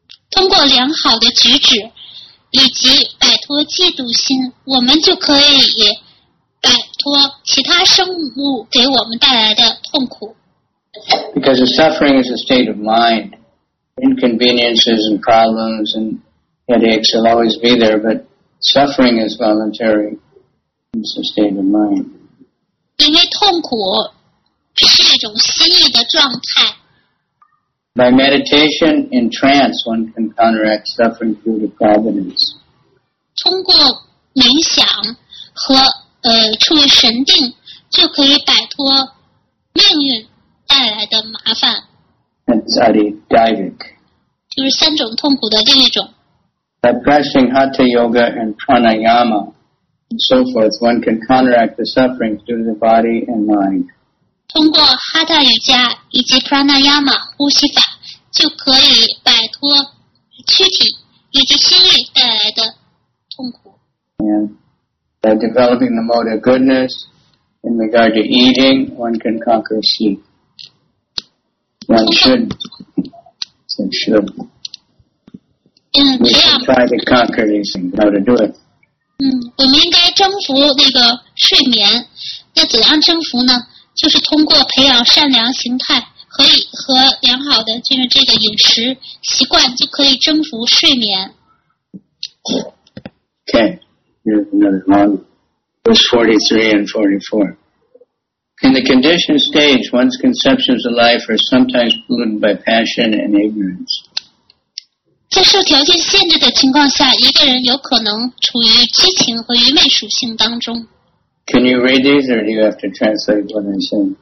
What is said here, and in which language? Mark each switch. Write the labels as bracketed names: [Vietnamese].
[Chinese] 通过良好的举止以及摆脱嫉妒心，我们就可以摆脱其他生物给我们带来的痛苦。 [English] Because the suffering is a state of mind. Inconveniences and problems and headaches will always be there, but suffering is voluntary. It's a state of mind. [Chinese] 因为痛苦是一种心意的状态。 [English] By meditation in trance, one can counteract suffering through the providence. [Chinese] 通过冥想和处于神定，就可以摆脱命运带来的麻烦。 [English] That's adi-daivik. [Chinese] 就是三种痛苦的另一种。 [English] By practicing hatha yoga and pranayama. And so forth, one can counteract the suffering through the body and mind. [Chinese] 通过哈达瑜伽以及普拉纳亚玛呼吸法，就可以摆脱躯体以及心力带来的痛苦。 [English] And by developing the mode of goodness in regard to eating, one can conquer sleep. One should. We can try to conquer these things. How to do it? [Chinese] 我们应该征服那个睡眠，那怎样征服呢？就是通过培养善良形态和良好的就是这个饮食习惯，就可以征服睡眠。 [English] Okay, here's another one. Verse 43 and 44. In the conditioned stage, one's conceptions of life are sometimes polluted by passion and ignorance. [Chinese] 在受条件限制的情况下，一个人有可能处于激情和愚昧属性当中。 [English] Can you read these, or do you have to translate what I say?